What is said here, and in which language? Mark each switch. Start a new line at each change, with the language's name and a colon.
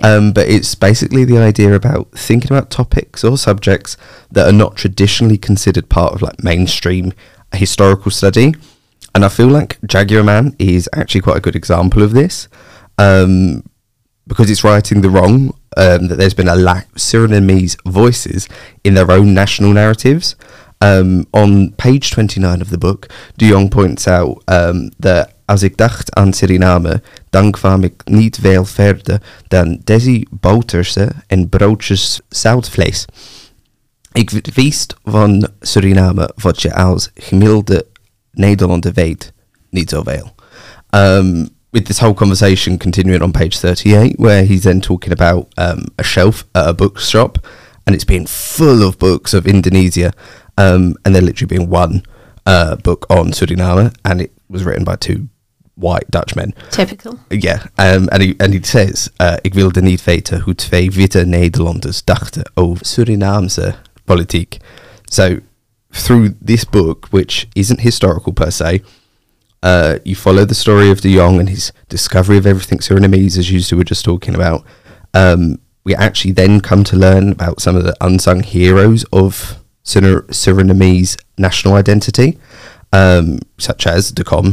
English: But it's basically the idea about thinking about topics or subjects that are not traditionally considered part of like mainstream historical study. And I feel like Jaguar Man is actually quite a good example of this, because it's writing the wrong. That there's been a lack of Surinamese voices in their own national narratives. On page 29 of the book, De Jong points out that as
Dutch: ik dacht aan Suriname, dan kwam ik niet veel verder dan deze boterse en broodjes zoutvlees. Ik wist van Suriname wat je als gemiddelde Nederlander weet, niet zo veel.
English: With this whole conversation continuing on page 38, where he's then talking about a shelf at a bookshop, and it's been full of books of Indonesia, and there literally being one book on Suriname, and it was written by two white Dutch men. Typical. Yeah, and he says,
Dutch: ik wilde niet weten hoe twee witte Nederlanders dachten over Surinaamse politiek.
English: So, through this book, which isn't historical per se, you follow the story of De Jong and his discovery of everything Surinamese, as you were just talking about. We actually then come to learn about some of the unsung heroes of Surinamese national identity, such as De Kom.